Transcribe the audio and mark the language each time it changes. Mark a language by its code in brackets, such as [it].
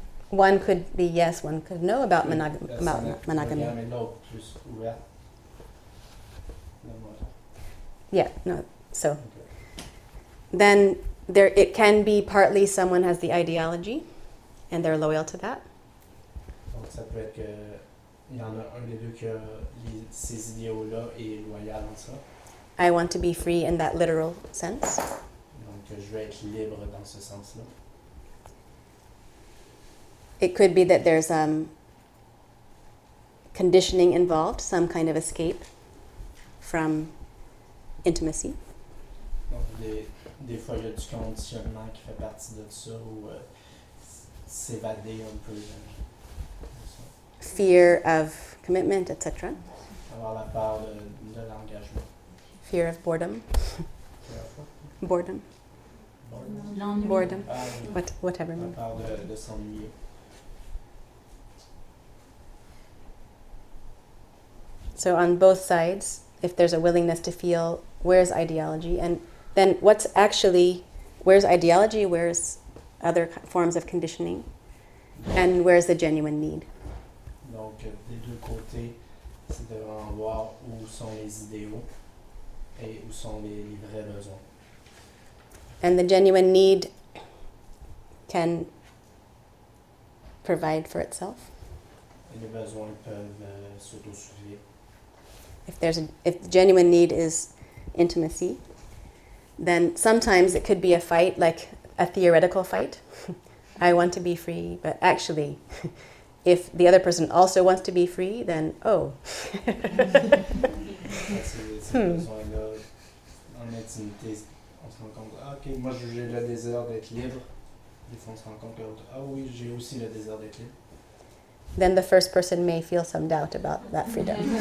[en] One could be yes, one could know about monogamy. [fr] Yeah, mais l'autre plus ouvert. [en] Yeah, no. So okay. Then there it can be partly someone has the ideology and they're loyal to that. [fr] Donc ça peut être que il y en a un des deux qui a ces idéaux-là et est loyal en ça. [en] I want to be free in that literal sense. [fr] Donc, je veux être libre dans ce sens-là. [en] It could be that there's conditioning involved, some kind of escape from intimacy. [fr] Donc, des fois, il y a du conditionnement qui fait partie de ça ou s'évader un peu. [en] Fear of commitment, etc. [fr] Avoir la peur de l'engagement. [en] Fear of boredom. Boredom. [fr] L'ennui. [en] Boredom. Whatever. La [fr] peur de s'ennuyer. [en] So on both sides, if there's a willingness to feel, where's ideology? And then what's actually, where's ideology? Where's other forms of conditioning? And where's the genuine need? [fr] Donc, des deux côtés, c'est de voir où sont les idéaux. Et où sont les vrais besoins. [en] And the genuine need can provide for itself. [fr] Et les besoins peuvent s'autosuffire. [en] If the genuine need is intimacy, then sometimes it could be a fight, like a theoretical fight. I want to be free, but actually, if the other person also wants to be free, then oh. [fr] C'est besoin-là, en intimité, on se rend compte, ah, ok, moi j'ai le désir d'être libre. Des fois on se rend compte que, ah oui, j'ai aussi le désir d'être libre. [en] Then the first person may feel some doubt about that freedom.